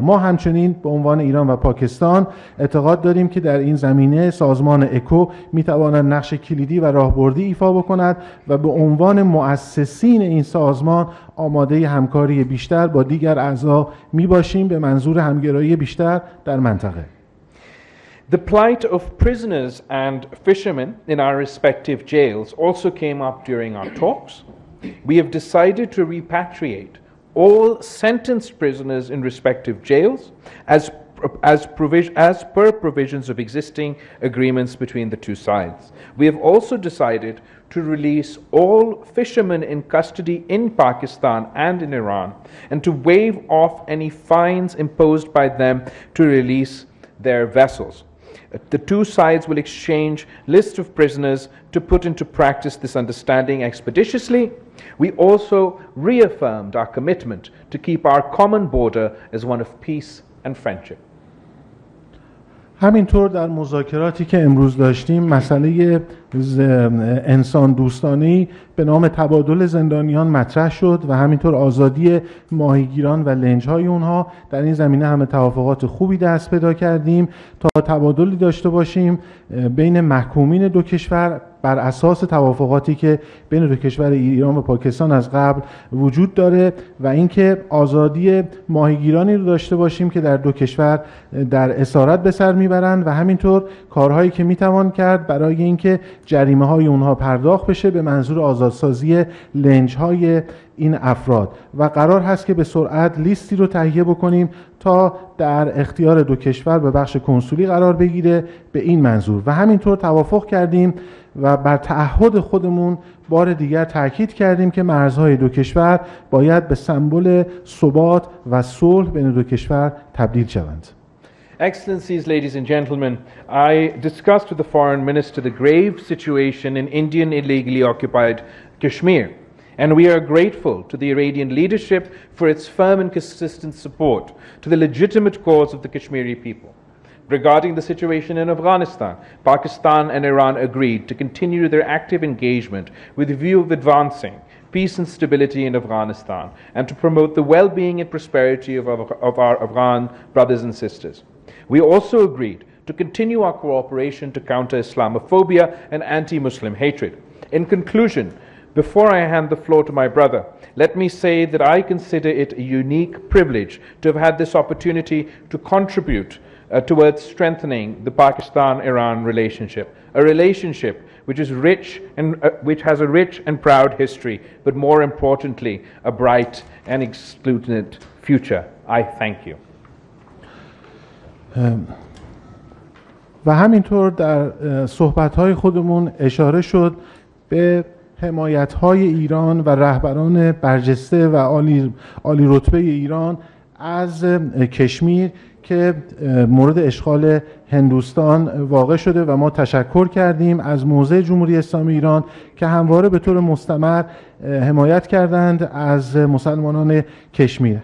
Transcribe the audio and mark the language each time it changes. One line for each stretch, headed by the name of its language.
Persian: ما همچنین به عنوان ایران و پاکستان اعتقاد داریم که در این زمینه سازمان اکو میتواند نقش کلیدی و راهبردی ایفا بکند، و به عنوان مؤسسین این سازمان آماده همکاری بیشتر با دیگر اعضا میباشیم به منظور همگرایی بیشتر در منطقه.
English: The plight of prisoners and fishermen in our respective jails also came up during our talks. We have decided to repatriate all sentenced prisoners in respective jails as per provisions of existing agreements between the two sides. We have also decided to release all fishermen in custody in Pakistan and in Iran, and to waive off any fines imposed by them to release their vessels. The two sides will exchange list of prisoners to put into practice this understanding expeditiously. We also reaffirmed our commitment to keep our common border as one of peace and friendship.
Persian: همینطور در مذاکراتی که امروز داشتیم، مسئله انسان دوستانه‌ای به نام تبادل زندانیان مطرح شد، و همینطور آزادی ماهیگیران و لنج‌های اونها. در این زمینه هم توافقات خوبی دست پیدا کردیم تا تبادلی داشته باشیم بین محکومین دو کشور بر اساس توافقاتی که بین دو کشور ایران و پاکستان از قبل وجود داره، و اینکه آزادی ماهیگیرانی رو داشته باشیم که در دو کشور در اسارت به سر می‌برند، و همینطور کارهایی که میتوان کرد برای اینکه جریمه های اونها پرداخت بشه به منظور آزادسازی لنج های این افراد. و قرار هست که به سرعت لیستی رو تهیه بکنیم تا در اختیار دو کشور به بخش کنسولی قرار بگیره به این منظور. و همینطور توافق کردیم و بر تعهد خودمون بار دیگر تاکید کردیم که مرزهای دو کشور باید به سمبل ثبات و صلح بین دو کشور تبدیل شوند.
English: Excellencies, ladies and gentlemen, I discussed with the foreign minister the grave situation in Indian illegally occupied Kashmir, and we are grateful to the Iranian leadership for its firm and consistent support to the legitimate cause of the Kashmiri people. Regarding the situation in Afghanistan, Pakistan and Iran agreed to continue their active engagement with a view of advancing peace and stability in Afghanistan and to promote the well-being and prosperity of our Afghan brothers and sisters. We also agreed to continue our cooperation to counter Islamophobia and anti-Muslim hatred. In conclusion, before I hand the floor to my brother, let me say that I consider it a unique privilege to have had this opportunity to contribute towards strengthening the Pakistan-Iran relationship, a relationship which is rich and which has a rich and proud history, but more importantly, a bright and exuberant future. I thank you.
Persian: و همینطور در صحبت‌های خودمون اشاره شد به حمایت‌های ایران و رهبران برجسته و عالی رتبه ایران از کشمیر که مورد اشغال هندوستان واقع شده و ما تشکر کردیم از موضع جمهوری اسلامی ایران که همواره به طور مستمر حمایت کردند از مسلمانان کشمیر.